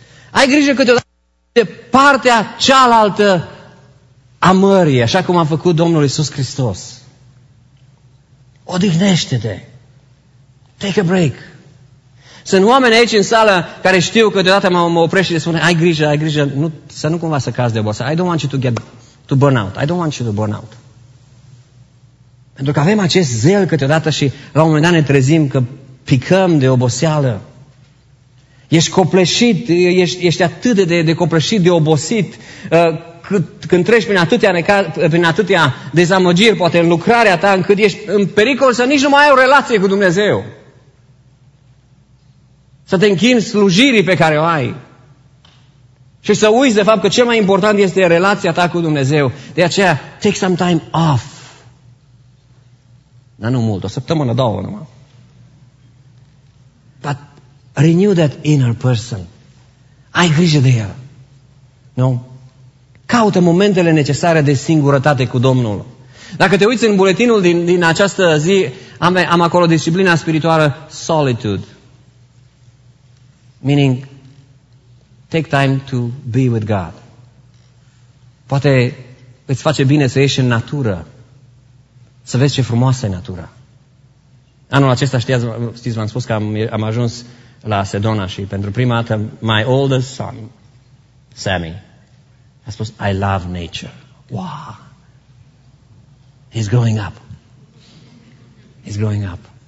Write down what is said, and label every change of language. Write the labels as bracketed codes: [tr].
[ro] Ai grijă câteodată de partea cealaltă a mării, așa cum a făcut Domnul Iisus Hristos. Odihnește-te. [en] Take a break. [ro] Sunt oameni aici în sală care știu că deodată mă oprește și le spune, ai grijă, nu, să nu cumva să cazi de obosit. [en] I don't want you to burn out. [ro] Pentru că avem acest zel câteodată și la un moment dat ne trezim că picăm de oboseală. Ești copleșit, ești atât de copleșit, de obosit, când treci prin atâtea dezamăgiri, poate în lucrarea ta, încât ești în pericol să nici nu mai ai o relație cu Dumnezeu. Să te închini slujirii pe care o ai. Și să uiți de fapt că cel mai important este relația ta cu Dumnezeu. De aceea, [en] take some time off. [ro] Dar nu mult, o săptămână, două numai. [en] But renew that inner person. [ro] Ai grijă de el. Nu? Caută momentele necesare de singurătate cu Domnul. Dacă te uiți în buletinul din această zi, am acolo disciplina spirituală solitude. [en] Meaning, take time to be with God. [ro] Poate îți face bine să ieși în natură, să vezi ce frumoasă e natura. Anul acesta, știți, v-am spus că am ajuns la Sedona și pentru prima dată, [en] my oldest son, [ro] Sammy, a spus, [en] I love nature. Wow! He's growing up. [ro] He's growing up.